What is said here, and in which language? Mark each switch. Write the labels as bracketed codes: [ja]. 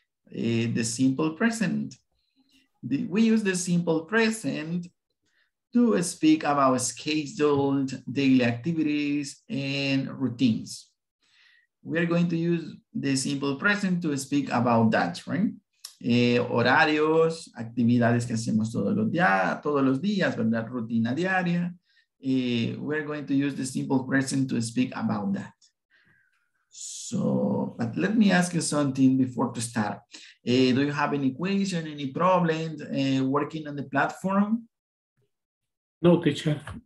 [en] The simple present. We use the simple present to speak about scheduled daily activities and routines. We are going to use the simple present to speak about that, right? [es] Horarios, actividades que hacemos todos los días, ¿verdad? Rutina diaria. [en] We're going to use the simple present to speak about that. So, but let me ask you something before to start. Do you have any question, any problems working on the platform? No, teacher.